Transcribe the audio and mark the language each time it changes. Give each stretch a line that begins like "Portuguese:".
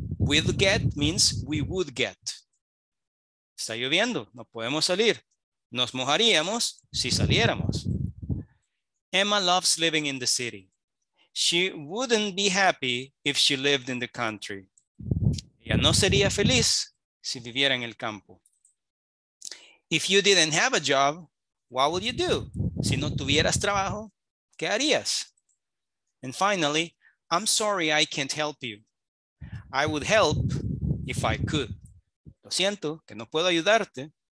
English: We'd get means we would get.
Spanish: Está lloviendo, no podemos salir. Nos mojaríamos si saliéramos.
English: Emma loves living in the city. She wouldn't be happy if she lived in the country.
Spanish: Ella no sería feliz si viviera en el campo.
English: If you didn't have a job, what would you do?
Spanish: Si no tuvieras trabajo, ¿qué harías?
English: And finally, I'm sorry I can't help you. I would help if I could.
Spanish: Lo siento que no puedo ayudarte.